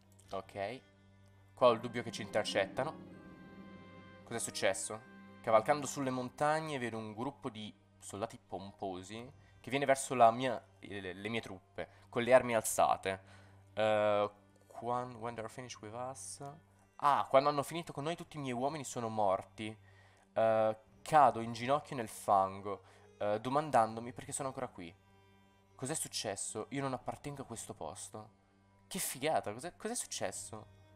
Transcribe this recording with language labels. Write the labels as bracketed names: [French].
[Italian] Ok, qua ho il dubbio che ci intercettano. Cos'è successo? Cavalcando sulle montagne vedo un gruppo di soldati pomposi che viene verso la mia, le mie truppe con le armi alzate. [English] When they're finished with us? [Italian] Ah, quando hanno finito con noi tutti i miei uomini sono morti. Cado in ginocchio nel fango, domandandomi perché sono ancora qui. Cos'è successo? Io non appartengo a questo posto. Che figata, cos'è successo?